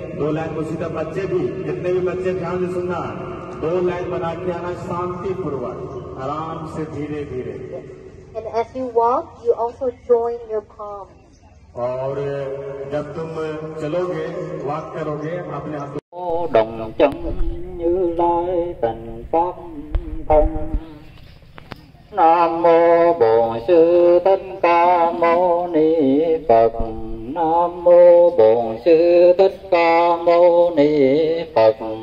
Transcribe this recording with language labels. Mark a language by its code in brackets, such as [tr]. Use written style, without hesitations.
[hi] दो लाइन को सीधा बच्चे भी जितने भी बच्चे ध्यान से सुनना. दो लाइन बना के आना शांति पूर्वक आराम से धीरे धीरे. [en] And as you walk, you also join your palms. [hi] और जब तुम चलोगे वॉक करोगे अपने आप [vi] đồng chân Như Lai tình pháp thân. Nam mô Bổn Sư Thích Ca Mâu Ni Phật. Nam mô Bổn Sư Thích Ca Mâu Ni Phật.